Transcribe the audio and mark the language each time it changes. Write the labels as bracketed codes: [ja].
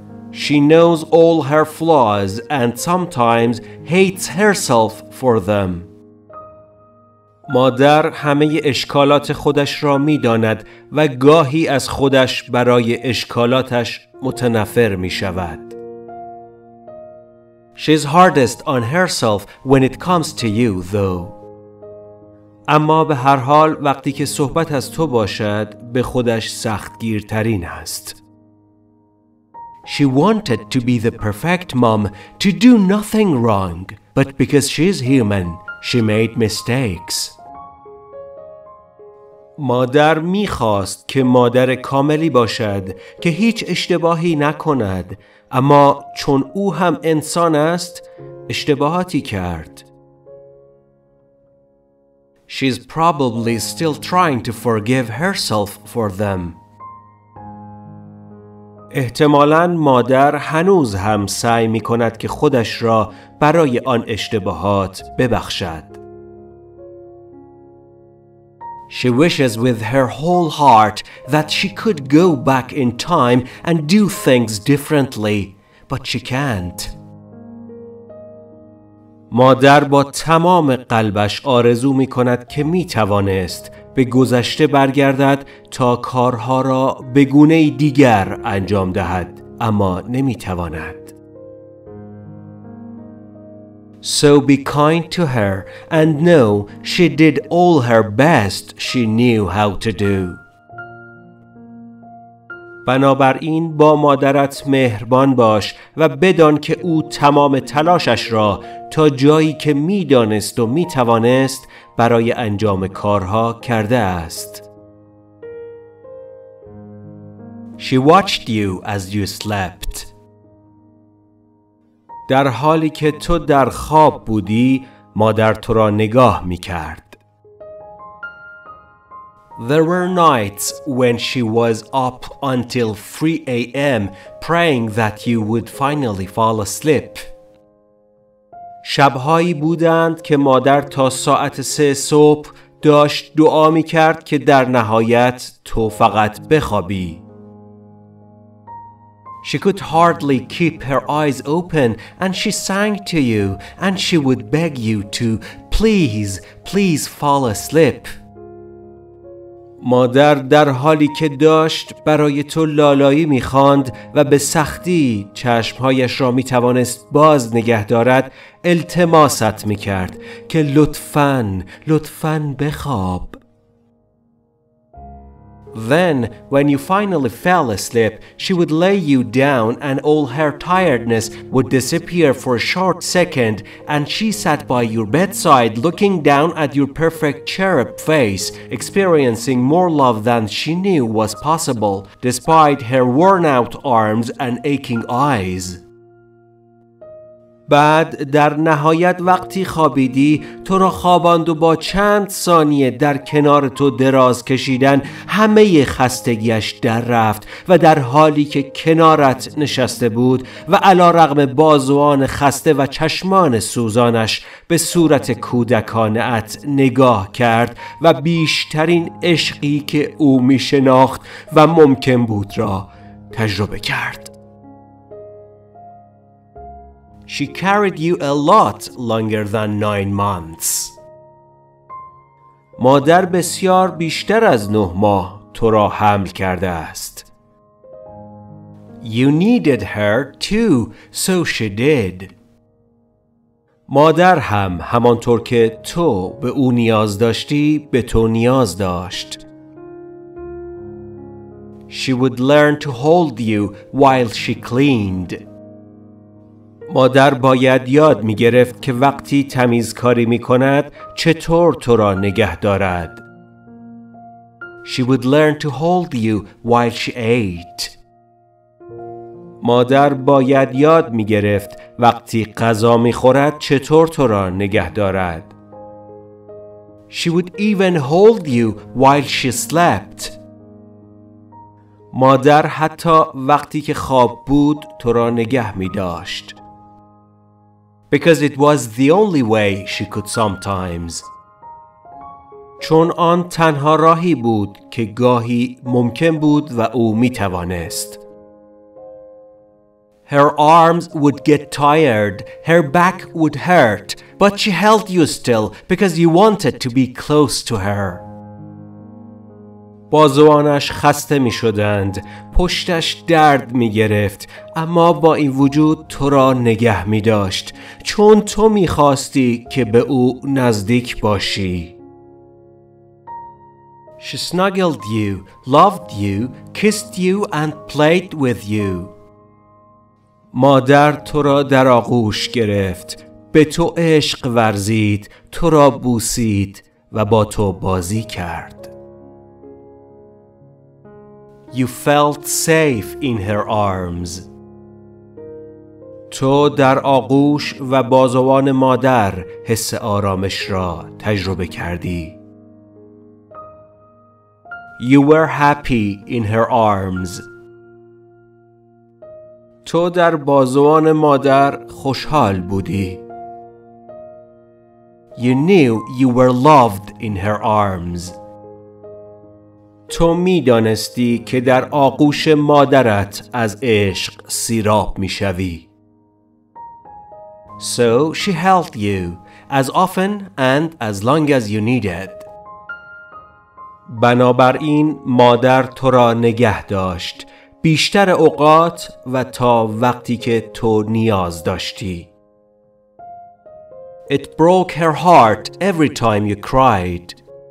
[en] She knows all her flaws and sometimes hates herself for them. [fa] مادر همه اشکالات خودش را می داند و گاهی از خودش برای اشکالاتش متنفر می شود. [en] She's hardest on herself when it comes to you, though. [fa] اما به هر حال وقتی که صحبت از تو باشد، به خودش سختگیرترین است. [en] She wanted to be the perfect mom, to do nothing wrong, but because she's human, she made mistakes. [fa] مادر می‌خواست که مادر کاملی باشد که هیچ اشتباهی نکند، اما چون او هم انسان است اشتباهاتی کرد. [en] She's probably still trying to forgive herself for them. [fa] احتمالاً مادر هنوز هم سعی می‌کند که خودش را برای آن اشتباهات ببخشد. [en] She wishes with her whole heart that she could go back in time and do things differently, but she can't. [fa] مادر با تمام قلبش آرزو می کند که می توانست به گذشته برگردد تا کارها را به گونه دیگر انجام دهد، اما نمی تواند. [en] So be kind to her and know she did all her best she knew how to do. [fa] بنابراین با مادرت مهربان باش و بدان که او تمام تلاشش را تا جایی که می دانست و می توانست برای انجام کارها کرده است. [en] She watched you as you slept. [fa] در حالی که تو در خواب بودی، مادر تو را نگاه می کرد. [en] There were nights when she was up until 3 a.m. praying that you would finally fall asleep. [fa] شبهایی بودند که مادر تا ساعت 3 صبح داشت دعا می کرد که در نهایت تو فقط بخوابی. [en] She could hardly keep her eyes open and she sang to you and she would beg you to please, please fall asleep. [fa] مادر در حالی که داشت برای تو لالایی می‌خواند و به سختی چشمهایش را می‌توانست باز نگه دارد، التماست می‌کرد که لطفاً لطفاً بخواب. [en] Then, when you finally fell asleep, she would lay you down and all her tiredness would disappear for a short second, and she sat by your bedside looking down at your perfect cherub face, experiencing more love than she knew was possible, despite her worn-out arms and aching eyes. [fa] بعد در نهایت وقتی خوابیدی، تو را خواباند و با چند ثانیه در کنار تو دراز کشیدن همه خستگیش در رفت و در حالی که کنارت نشسته بود و علی‌رغم بازوان خسته و چشمان سوزانش به صورت کودکانه‌ات نگاه کرد و بیشترین عشقی که او می شناخت و ممکن بود را تجربه کرد. [en] She carried you a lot longer than 9 months. [fa] مادر بسیار بیشتر از 9 ماه تو را حمل کرده است. [en] You needed her too, so she did. [fa] مادر هم همانطور که تو به او نیاز داشتی، به تو نیاز داشت. [en] She would learn to hold you while she cleaned. [fa] مادر باید یاد می گرفت که وقتی تمیزکاری می کند چطور تو را نگه دارد. [en] She would learn to hold you while she ate. [fa] مادر باید یاد می گرفت وقتی غذا می خورد چطور تو را نگه دارد. [en] She would even hold you while she slept. [fa] مادر حتی وقتی که خواب بود تو را نگه می داشت. [en] Because it was the only way she could sometimes. [fa] چون آن تنها راهی بود که گاهی ممکن بود و او می توانست. [en] Her arms would get tired, her back would hurt, but she held you still because you wanted to be close to her. [fa] بازوانش خسته می شدند، پشتش درد می گرفت، اما با این وجود تو را نگه می داشت چون تو می خواستی که به او نزدیک باشی. [en] She snuggled you, loved you, kissed you and played with you. [fa] مادر تو را در آغوش گرفت، به تو عشق ورزید، تو را بوسید و با تو بازی کرد. [en] You felt safe in her arms. [fa] تو در آغوش و بازوان مادر حس آرامش را تجربه کردی. [en] You were happy in her arms. [fa] تو در بازوان مادر خوشحال بودی. [en] You knew you were loved in her arms. [fa] تو می دانستی که در آغوش مادرت از عشق سیراب می شوی. [en] So she held you as often and as long as you needed. [fa] بنابراین مادر تو را نگه داشت بیشتر اوقات و تا وقتی که تو نیاز داشتی. [en] It broke her heart every time you cried.